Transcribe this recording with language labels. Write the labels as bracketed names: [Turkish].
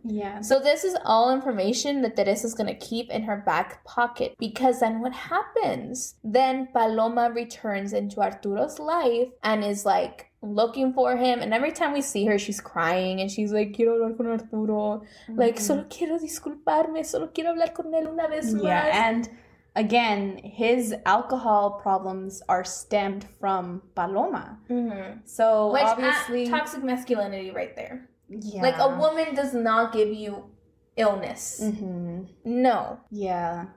[English] Yeah. So this is all information that Teresa's gonna keep in her back pocket, because then what happens? Then Paloma returns into Arturo's life and is like looking for him, and every time we see her, she's crying and she's like, [Spanish] quiero hablar con Arturo. [English] Mm-hmm. Like, [Spanish] solo quiero disculparme, solo quiero hablar con él una vez más. [English] Yeah, and again, his alcohol problems are stemmed from Paloma. Mm-hmm. So, which, obviously, toxic masculinity, right there. Yeah, like a woman does not give you illness. Mm-hmm. No. Yeah.